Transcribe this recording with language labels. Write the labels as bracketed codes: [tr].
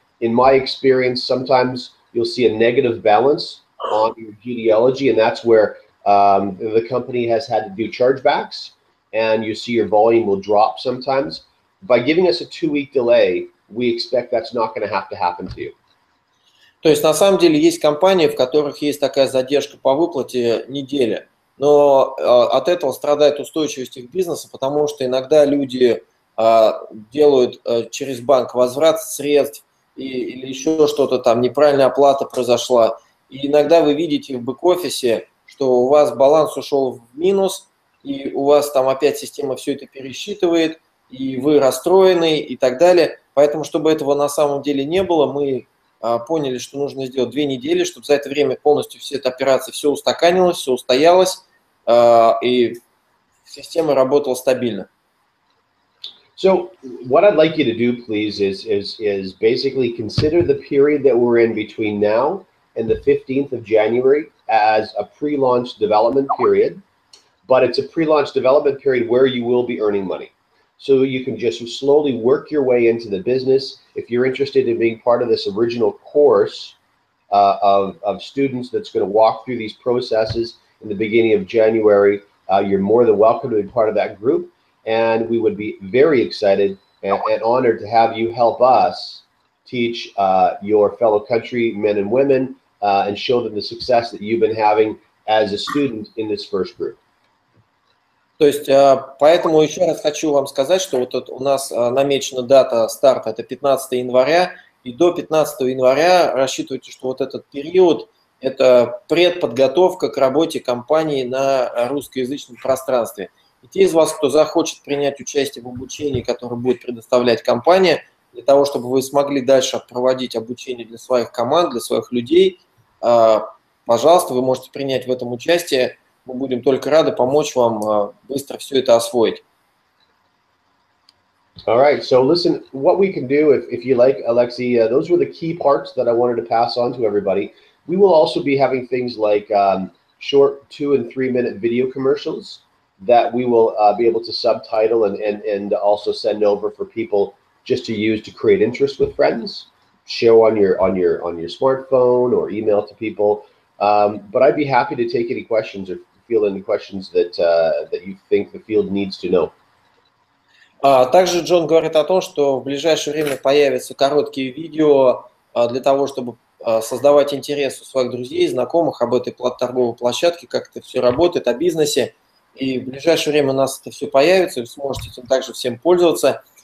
[en] In my experience, sometimes you'll see a negative balance on your genealogy, and that's where the company has had to do chargebacks, and you see your volume will drop sometimes. By giving us a 2 week delay, we expect that's not going to have to happen to you. [ru] То есть на самом деле есть компании, в которых есть такая задержка по выплате неделя, но от этого страдает устойчивость их бизнеса, потому что иногда люди делают через банк возврат средств или еще что-то там, неправильная оплата произошла. И иногда вы видите в бэк-офисе, что у вас баланс ушел в минус, и у вас там опять система все это пересчитывает, и вы расстроены и так далее. Поэтому, чтобы этого на самом деле не было, мы поняли, что нужно сделать 2 недели, чтобы за это время полностью все эта операция все устаканилась, все устоялось, и система работала стабильно. [en] So, what I'd like you to do, please, is basically consider the period that we're in between now and the 15th of January as a pre-launch development period, but it's a pre-launch development period where you will be earning money. So you can just slowly work your way into the business. If you're interested in being part of this original course of students that's going to walk through these processes in the beginning of January, you're more than welcome to be part of that group. And we would be very excited and honored to have you help us teach your fellow countrymen and women and show them the success that you've been having as a student in this first group. [ru] То есть, поэтому еще раз хочу вам сказать, что вот тут у нас намечена дата старта, это 15 января, и до 15 января рассчитывайте, что вот этот период – это предподготовка к работе компании на русскоязычном пространстве. И те из вас, кто захочет принять участие в обучении, которое будет предоставлять компания, для того, чтобы вы смогли дальше проводить обучение для своих команд, для своих людей, пожалуйста, вы можете принять в этом участие. Мы будем только рады помочь вам быстро все это освоить. [en] All right, so listen, what we can do, if you like, Alexei, those were the key parts that I wanted to pass on to everybody. We will also be having things like short 2- and 3-minute video commercials that we will be able to subtitle and also send over for people just to use to create interest with friends, show on your smartphone or email to people. But I'd be happy to take any questions or feel any questions that you think the field needs to know. [ru] Также Джон говорит о том, что в ближайшее время появятся короткие видео для того, чтобы создавать интерес у своих друзей, знакомых об этой торговой площадке, как это все работает, о бизнесе. И в ближайшее время у нас это все появится, и вы сможете этим также всем пользоваться.